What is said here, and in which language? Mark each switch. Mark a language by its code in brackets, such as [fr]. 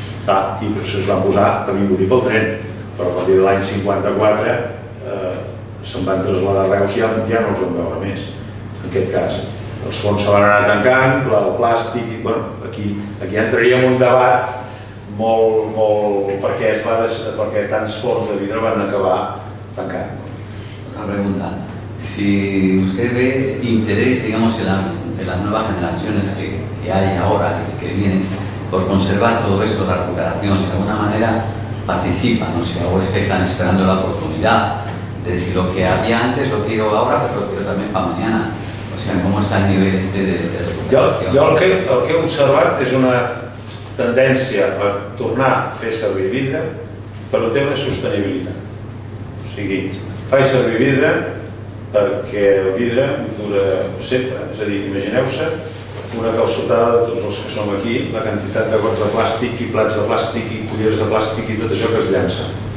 [ca] I per això es van posar a Vimbodí pel tren, però a partir de l'any 54 se'n van traslladar a Reus i ja no els vam veure més, en aquest cas. Els fons se van anar tancant, el plàstic, i bueno, aquí entraríem un debat molt... perquè tants fons de vidre van acabar tancant. [es] Otra pregunta. Si usted ve interés, digamos, en las nuevas generaciones que hay ahora, que vienen, por conservar todo esto, la recuperación, si de alguna manera participan, o sea, o es que están esperando la oportunidad de decir lo que había antes, lo quiero ahora, pero lo quiero también para mañana. O sea, ¿cómo está el nivel este de recuperación? Yo lo que [ca] he observat és una tendència a tornar a fer servir vidre per un tema de sostenibilitat. O sigui, faig servir vidre perquè el vidre dura sempre. És a dir, imagineu-se una calçotada de tots els que som aquí, la quantitat de gots de plàstic i plats de plàstic i culleres de plàstic i tot això que es llança.